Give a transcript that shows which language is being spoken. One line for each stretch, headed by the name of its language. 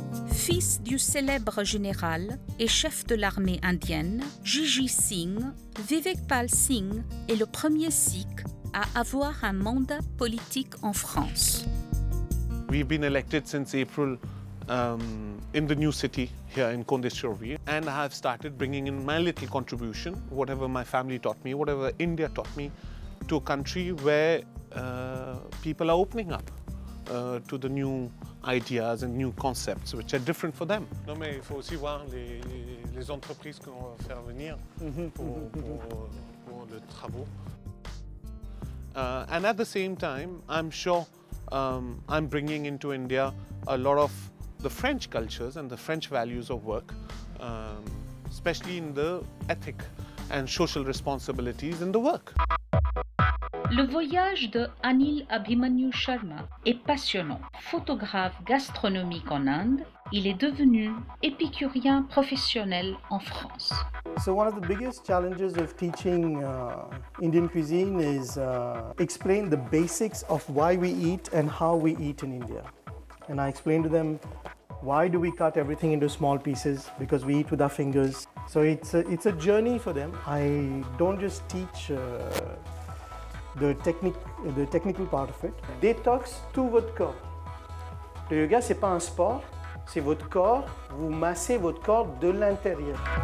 French: Fils du célèbre général et chef de l'armée indienne, Jiji Singh, Vivek Pal Singh est le premier Sikh à avoir un mandat politique en France.
English: We've been elected since April in the new city here in Condé-sur-Vire, and I have started bringing in my little contribution, whatever my family taught me, whatever India taught me, to a country where people are opening up to the new ideas and new concepts, which are different for them.
French: Non, mais il faut aussi voir les entreprises qu'on va faire venir pour le travaux.
English: And at the same time, I'm sure I'm bringing into India a lot of the French cultures and the French values of work, especially in the ethic and social responsibilities in the work.
French: Le voyage de Anil Abhimanyu Sharma est passionnant. Photographe gastronomique en Inde, il est devenu épicurien professionnel en France.
English: So one of the biggest challenges of teaching Indian cuisine is explain the basics of why we eat and how we eat in India. And I explain to them, why do we cut everything into small pieces? Because we eat with our fingers. So it's a journey for them. I don't just teach the technical part of it.
French: Détox tout votre corps. Le yoga, c'est pas un sport, C'est votre corps, vous massez votre corps de l'intérieur.